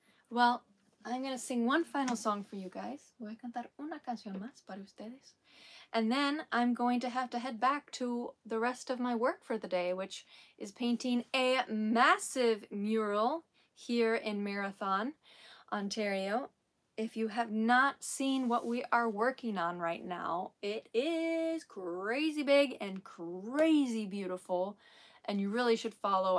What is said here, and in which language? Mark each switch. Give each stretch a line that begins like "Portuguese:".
English: Well, I'm going to sing one final song for you guys.
Spanish: Voy a cantar una canción más para ustedes.
English: And then I'm going to head back to the rest of my work for the day, which is painting a massive mural here in Marathon, Ontario. If you have not seen what we are working on right now, it is crazy big and crazy beautiful, and you really should follow.